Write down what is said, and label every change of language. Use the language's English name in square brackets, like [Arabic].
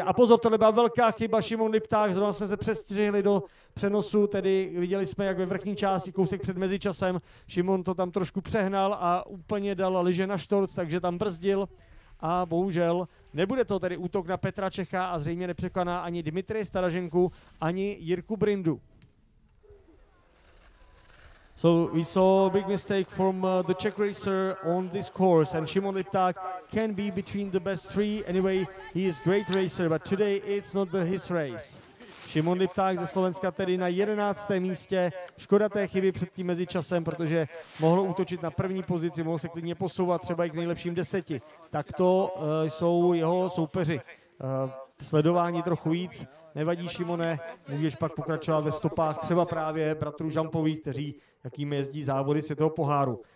[Czech] A pozor, tohle byla velká chyba, Šimon Lipták, zrovna jsme se přestřihli do přenosu, tedy viděli jsme, jak ve vrchní části, kousek před mezičasem, Šimon to tam trošku přehnal a úplně dal liže na štorc, takže tam brzdil. A bohužel nebude to tedy útok na Petra Čecha a zřejmě nepřekoná ani Dmitrije Staraženku, ani Jirku Brindu. [English] So we saw a big mistake from the Czech racer on this course and Šimon Lipták can be between the best three. Anyway, he is great racer, but today it's not his race. [Czech] Šimon Lipták ze Slovenska tedy na 11. místě. Škoda té chyby před tím mezičasem, protože mohl útočit na první pozici, mohl se klidně posouvat třeba i k nejlepším deseti. Tak to jsou jeho soupeři. Sledování trochu víc. Nevadí, Šimone, můžeš pak pokračovat ve stopách třeba právě bratrů Žampových, kteří jakými jezdí závody světového poháru.